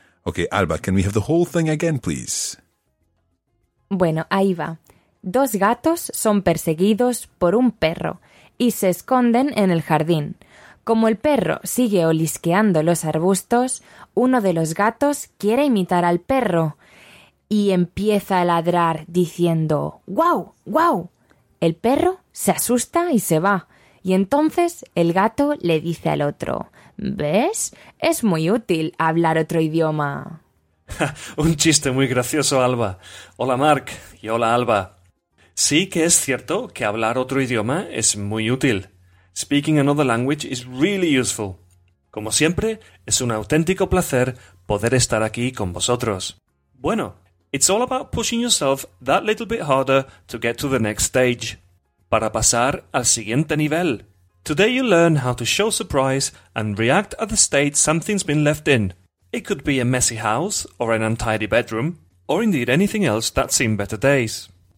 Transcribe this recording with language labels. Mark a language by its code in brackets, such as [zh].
[en] Okay, Alba, can we have the whole thing again, please? [es] Bueno, ahí va. Dos gatos son perseguidos por un perro y se esconden en el jardín. Como el perro sigue olisqueando los arbustos, uno de los gatos quiere imitar al perro y empieza a ladrar diciendo ¡guau, guau! El perro se asusta y se va. Y entonces el gato le dice al otro, ¿ves? Es muy útil hablar otro idioma. Un chiste muy gracioso, Alba. Hola, Mark. Y hola, Alba. Sí que es cierto que hablar otro idioma es muy útil. [en] Speaking another language is really useful. [es] Como siempre, es un auténtico placer poder estar aquí con vosotros. Bueno, [en] it's all about pushing yourself that little bit harder to get to the next stage. [es] Para pasar al siguiente nivel. [en] Today you learn how to show surprise and react at the state something's been left in. It could be a messy house or an untidy bedroom, or indeed anything else that's seen better days.